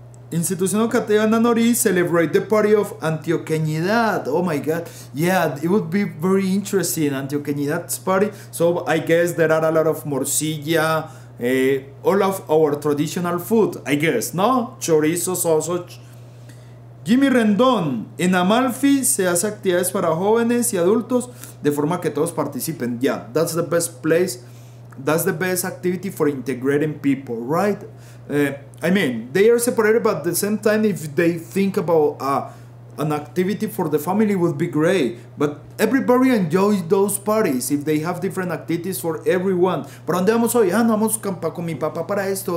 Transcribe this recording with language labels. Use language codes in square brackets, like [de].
[en] Institución Ocatea Nanori celebrate the party of Antioqueñidad. Oh my God. Yeah, it would be very interesting. Antioqueñidad's party. So I guess there are a lot of morcilla. All of our traditional food, I guess, no? Chorizo, sausage. Jimmy Rendón. [es] En Amalfi se hace actividades para jóvenes y adultos de forma que todos participen. [en] Yeah, that's the best place. That's the best activity for integrating people, right? I mean, they are separated, but at the same time, if they think about an activity for the family, would be great. But everybody enjoys those parties if they have different activities for everyone. [es] ¿Para dónde vamos hoy? Ah, no vamos con mi papá para esto.